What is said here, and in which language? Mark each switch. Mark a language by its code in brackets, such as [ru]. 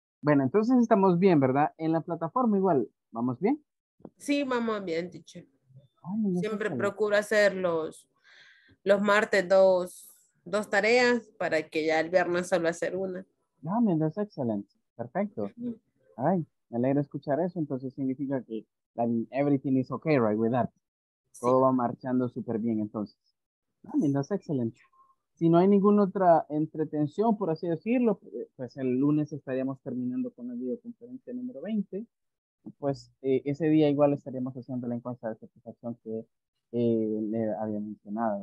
[es] Bueno, entonces estamos bien, ¿verdad? En la plataforma igual, ¿vamos bien? Sí, vamos bien, teacher. Siempre procuro hacer los martes dos tareas para que ya el viernes solo hacer una. [en] No, man, that's excellent. [es] Perfecto. Ay, me alegra escuchar eso. Entonces significa que [en] everything is okay, right, with that. [es] Todo sí. Va marchando súper bien, entonces. [en] No, man, that's excellent. [es] Si no hay ninguna otra entretención, por así decirlo, pues el lunes estaríamos terminando con la videoconferencia número 20. Pues ese día igual estaríamos haciendo la encuesta de satisfacción que le había mencionado.